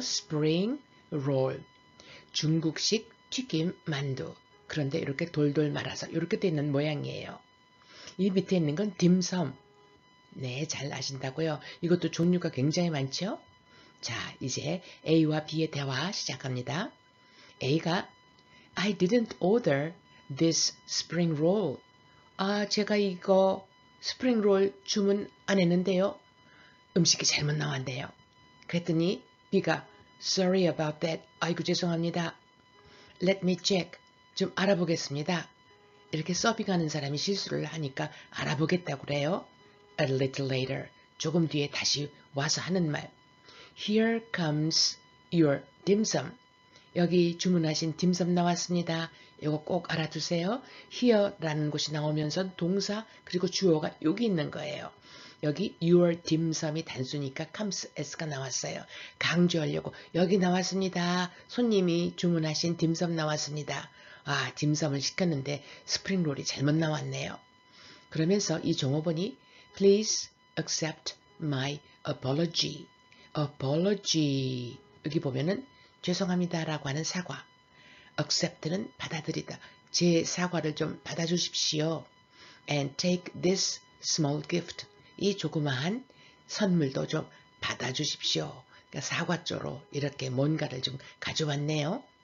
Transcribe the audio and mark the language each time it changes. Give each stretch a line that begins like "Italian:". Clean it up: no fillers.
Korean: 스프링 롤. 중국식 튀김 만두. 그런데 이렇게 돌돌 말아서 이렇게 되어 있는 모양이에요. 이 밑에 있는 건 딤섬. 네, 잘 아신다고요? 이것도 종류가 굉장히 많죠? 자, 이제 A와 B의 대화 시작합니다. A가
English: I didn't order this spring roll.
Korean: 아, 제가 이거 스프링 롤 주문 안 했는데요. 음식이 잘못 나왔네요. 그랬더니 B가
English: Sorry about that.
Korean: 아이고, 죄송합니다.
English: Let me check.
Korean: 좀 알아보겠습니다. 이렇게 서빙하는 사람이 실수를 하니까 알아보겠다고 그래요.
English: A little later,
Korean: 조금 뒤에 다시 와서 하는 말.
English: Here comes your dim sum.
Korean: 여기 주문하신 딤섬 나왔습니다. 이거 꼭 알아두세요. Here라는 곳이 나오면서 동사 그리고 주어가 여기 있는 거예요. 여기
English: your dim sum
Korean: 이 단수니까 comes s가 나왔어요. 강조하려고 여기 나왔습니다. 손님이 주문하신 딤섬 나왔습니다. 아, 딤섬을 시켰는데 스프링 롤이 잘못 나왔네요. 그러면서 이 종업원이
English: Please accept my apology. Apology.
Korean: 여기 보면은 죄송합니다라고 하는 사과. Accept는 받아들이다. 제 사과를 좀 받아주십시오.
English: And take this small gift.
Korean: 이 조그마한 선물도 좀 받아주십시오. 그러니까 사과 쪽으로 이렇게 뭔가를 좀 가져왔네요.